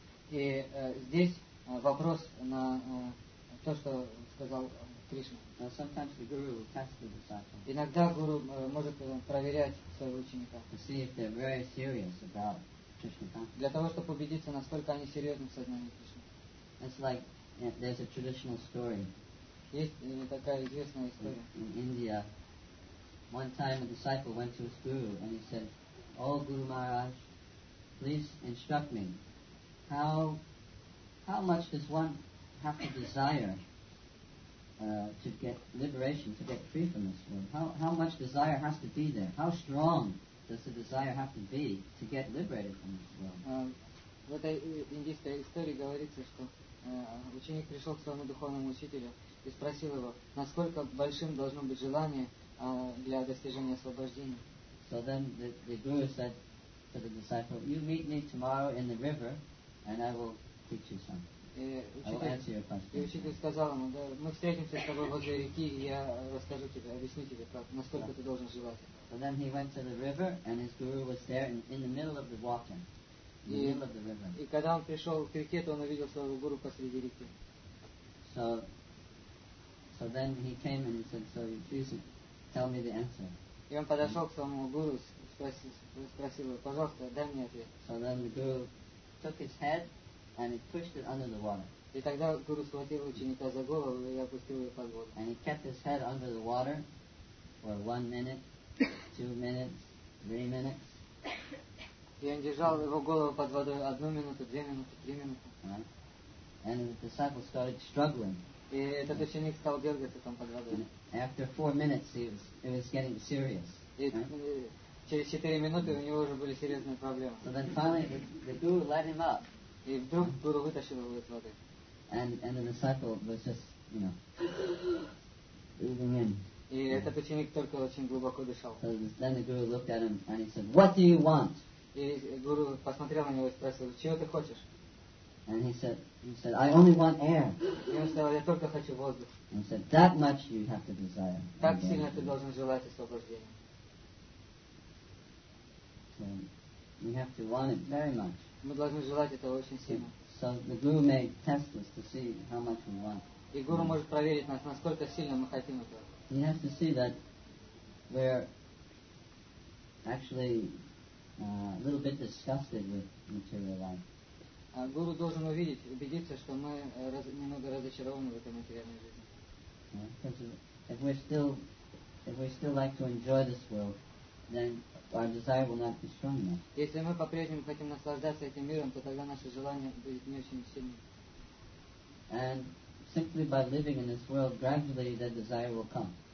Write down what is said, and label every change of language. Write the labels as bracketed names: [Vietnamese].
[Russian] И здесь вопрос на то, что сказал Кришна. [English] Sometimes the guru will test the disciple. [Russian] Иногда гуру может проверять своего ученика. [English] To see if they're very serious about Krishna consciousness. [Russian] Для того, чтобы убедиться, насколько они серьезны в сознании Кришны. [English] It's like there's a traditional story. [Russian] Есть такая известная история. [English] In India, One time a disciple went to his guru and he said, "Oh Guru Maharaj, please instruct me. How much does one have to desire to get liberation, to get free from this world? How much desire has to be there? How strong does the desire have to be to get liberated from this world?" [Russian] В индийской истории говорится, что ученик пришел к своему духовному учителю и спросил его, насколько большим должно быть желание для достижения освобождения. [English] So then the guru said to the disciple, "You meet me tomorrow in the river, and I will teach you something." [Russian] И учитель сказал ему, "Да, мы встретимся с тобой возле реки, и я расскажу тебе, объясню тебе, как, насколько ты должен желать." [English] So then he went to the river, and his guru was there in the middle of the water. [Russian] И когда он пришел к реке, то он увидел своего гуру посреди реки. [English] So then he came and he said, "So you please tell me the answer." [Russian] И он подошел к своему гуру, спросил его, "Пожалуйста, дай мне ответ." [English] So then the guru took his head and he pushed it under the water. [Russian] И тогда гуру схватил ученика за голову и опустил его под воду. [English] And he kept his head under the water for 1 minute, 2 minutes, 3 minutes. [Russian] И он держал его голову под водой 1 минуту, 2 минуты, 3 минуты. [English] And the disciple started struggling. [Russian] И этот ученик стал дергаться там под водой. [English] And after 4 minutes, it was getting serious. [Russian] И через 4 минуты у него уже были серьезные проблемы. [English] So then finally the guru let him up. [Russian] И вдруг гуру вытащил его из воды. [English] And the disciple was just, breathing in. [Russian] И этот ученик только очень глубоко дышал. [English] So then the guru looked at him and he said, "What do you want?" [Russian] И гуру посмотрел на него и спросил, "Чего ты хочешь?" [English] And he said, "I only want air." [Russian] И он сказал, "Я только хочу воздух." [English] And he said, "That much you have to desire." [Russian] Так сильно ты должен желать освобождения. [English] So we have to want it very much. [Russian] Мы должны желать этого очень сильно. [English] So the guru may test us to see how much we want. [Russian] И гуру может проверить нас, насколько сильно мы хотим этого. [English] He has to see that we're actually a little bit disgusted with material life. [Russian] Гуру должен убедиться, что мы немного разочарованы в этой материальной жизни. [English] Because if we still like to enjoy this world, then our desire will not be strong enough. [Russian] Если мы по-прежнему хотим наслаждаться этим миром, то тогда наше желание будет не очень сильным. [English] And simply by living in this world, gradually that desire will come.